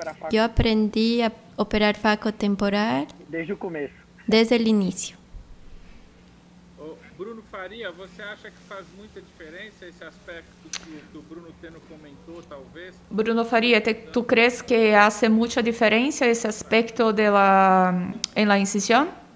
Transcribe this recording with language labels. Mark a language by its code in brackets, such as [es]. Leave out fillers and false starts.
[es] Yo aprendí a operar FACO temporal desde el inicio. [pt] Bruno Faria, ¿você acha que faz muita diferença esse aspecto que o Bruno Teno comentou, talvez? [es] Bruno Faria, ¿tú crees que hace mucha diferencia ese aspecto de la, en la incisión?